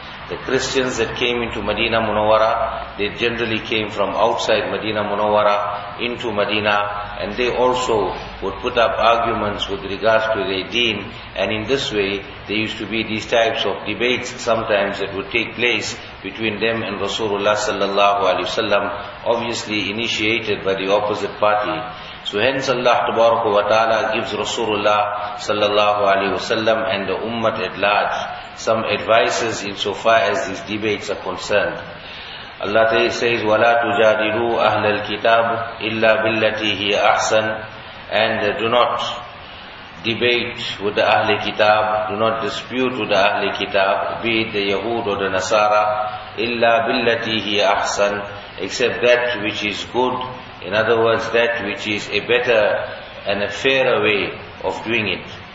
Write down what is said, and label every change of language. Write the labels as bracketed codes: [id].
[en] The Christians that came into Madinah Munawwara, they generally came from outside Madinah Munawwara into Madinah, and they also would put up arguments with regards to their deen, and in this way, there used to be these types of debates sometimes that would take place between them and Rasulullah sallallahu alayhi wa sallam, obviously initiated by the opposite party. So hence Allah tabaraka wa ta'ala gives Rasulullah sallallahu alayhi wa sallam and the ummah at large some advices insofar as these debates are concerned. Allah Ta'ala says, [ar] وَلَا تُجَادِلُوا أَهْلَ الْكِتَابُ إِلَّا بِالَّتِي هِيَ أَحْسَنُ. [en] And do not debate with the Ahl al-Kitab, do not dispute with the Ahl al-Kitab, be it the Yahud or the Nasara, [ar] إِلَّا بِالَّتِي هِيَ أَحْسَنُ, [en] except that which is good. In other words, that which is a better and a fairer way of doing it.